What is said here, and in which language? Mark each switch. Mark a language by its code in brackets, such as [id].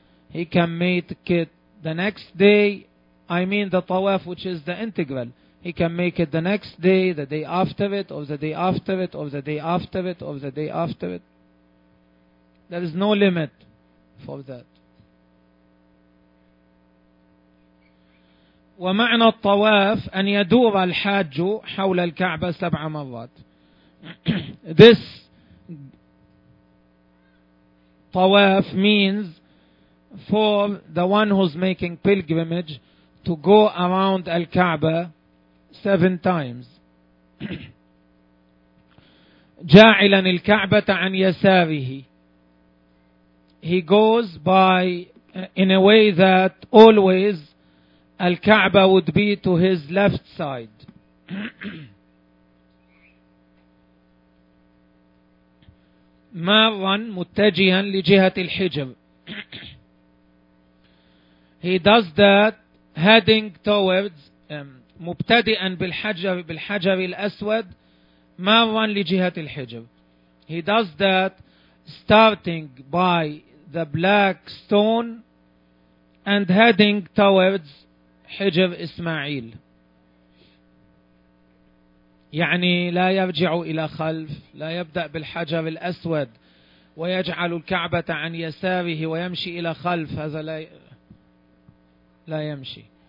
[en] He can make it the next day. I mean the tawaf which is the integral. He can make it the next day, the day after it, or the day after it, or the day after it, or the day after it. There is no limit for that. [ar] ومعنى الطواف أن يدور الحاج حول الكعبة سبع مرات. [en] This طواف means for the one who's making pilgrimage to go around الكعبة seven times. [ar] جاعلا الكعبة عن يساره. [en] He goes by in a way that always Al-Ka'bah would be to his left side. [ar] مَرًا مُتَّجِهًا لِجِهَةِ الْحِجْرِ. [en] He does that heading towards [ar] مُبْتَدِئًا بِالْحَجَرِ الْأَسْوَدِ مَرًا لِجِهَةِ الْحِجْرِ. [en] He does that starting by the black stone and heading towards حجر إسماعيل. [ar] يعني لا يرجع إلى خلف، لا يبدأ بالحجر الأسود ويجعل الكعبة عن يساره ويمشي إلى خلف، هذا لا يمشي.